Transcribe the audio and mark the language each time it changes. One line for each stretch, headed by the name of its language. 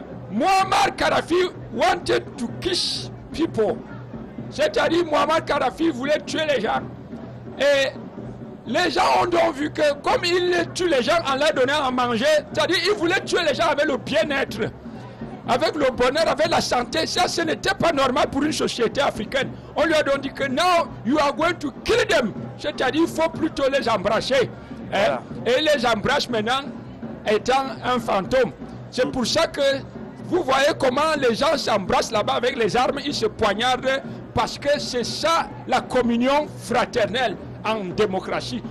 English: Muammar Kadhafi wanted to kiss people.
French: C'est-à-dire, Muammar Kadhafi voulait tuer les gens. Et les gens ont donc vu que, comme il tue les gens en leur donnant à manger, c'est-à-dire, il voulait tuer les gens avec le bien-être, avec le bonheur, avec la santé. Ça, ce n'était pas normal pour une société africaine. On lui a donc dit que,
English: now you are going to kill them.
French: C'est-à-dire, il faut plutôt les embrasser. Voilà. Et il les embrasse maintenant, étant un fantôme. C'est pour ça que vous voyez comment les gens s'embrassent là-bas avec les armes, ils se poignardent, parce que c'est ça la communion fraternelle en démocratie.